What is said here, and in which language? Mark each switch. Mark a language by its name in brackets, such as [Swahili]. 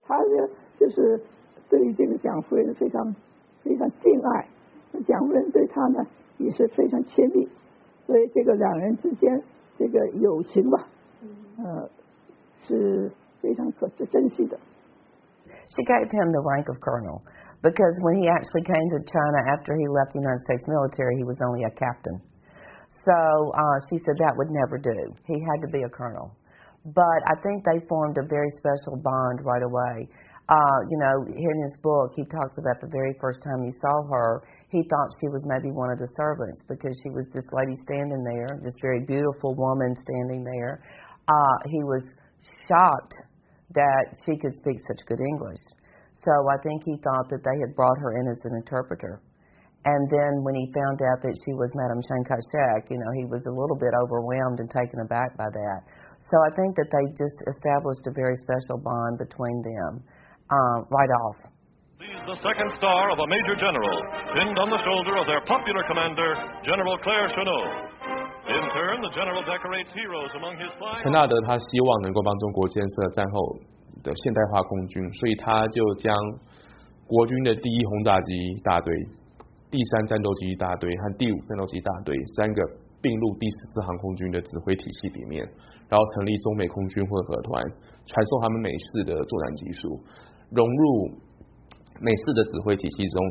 [Chinese] 他呢，就是对于这个蒋夫人非常非常敬爱，蒋夫人对他呢也是非常亲密，所以这个两人之间这个友情吧，是非常可珍惜的。 [English] She gave him the rank of colonel because when he actually came to China after he left the United States military, he was only a captain. So she said that would never do. He had to be a colonel. But I think they formed a very special bond right away. In his book, he talks about the very first time he saw her, he thought she was maybe one of the servants because she was this lady standing there, this very beautiful woman standing there. He was shocked that she could speak such good English. So I think he thought that they had brought her in as an interpreter. And then when he found out that she was Madame Chiang Kai-shek, he was a little bit overwhelmed and taken aback by that. So I think that they just established a very special bond between them, right off. He's the second star of a major general, pinned on the shoulder of their popular commander, General Claire Chenot. In turn, the general decorates heroes among his five... [Chinese] 陈纳德他希望能够帮中国建设战后的现代化空军，所以他就将国军的第一轰炸机大队第3战斗机大队和第5战斗机大队三个并入第14航空军的指挥体系里面，然后成立中美空军混合团，传授他们美式的作战技术，融入美式的指挥体系中。